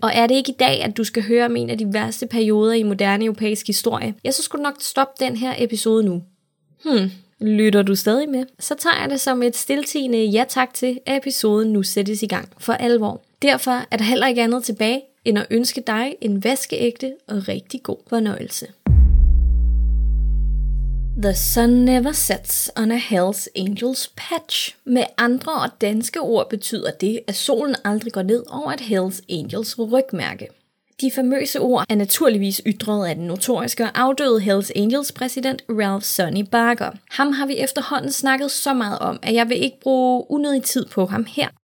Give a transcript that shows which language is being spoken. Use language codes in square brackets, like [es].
[da] Og er det ikke i dag, at du skal høre om en af de værste perioder i moderne europæisk historie, ja, så skulle du nok stoppe den her episode nu. Lytter du stadig med, så tager jeg det som et stiltiende ja tak til, at episoden nu sættes i gang for alvor. Derfor er der heller ikke andet tilbage, end at ønske dig en vaskeægte og rigtig god fornøjelse. [en] The sun never sets on a Hell's Angels patch. [da] Med andre og danske ord betyder det, at solen aldrig går ned over et Hell's Angels rygmærke. De famøse ord er naturligvis ytret af den notoriske og afdøde Hells Angels præsident Ralph Sonny Barker. Ham har vi efterhånden snakket så meget om, at jeg vil ikke bruge unødig tid på ham her.